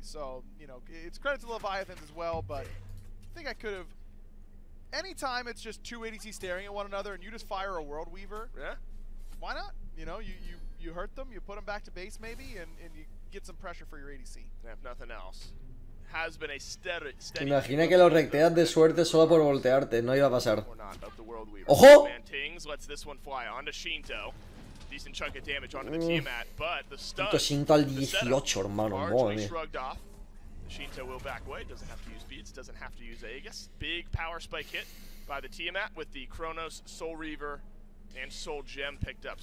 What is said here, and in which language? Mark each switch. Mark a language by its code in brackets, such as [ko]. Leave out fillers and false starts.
[en] So, you know, it's credit to Leviathans as well, but I think I could have... Anytime it's just two ADC staring at one another and you just fire a World Weaver, yeah, why not? You know, you hurt them, you put them back to base maybe, and you get some pressure for your ADC. Yeah, if nothing else. Has been a steady [es] Imagina que lo recteas de suerte solo por voltearte, no iba a pasar. ¡Ojo! [en] Decent chunk of damage onto the Tiamat, but the stun. [es] Puto Shinto al 18, hermano. [en] Shinto will back away. Doesn't have to use beads. Doesn't have to use Aegis. Big power spike hit by the Tiamat with the Kronos, Soul Reaver, and Soul Gem picked up.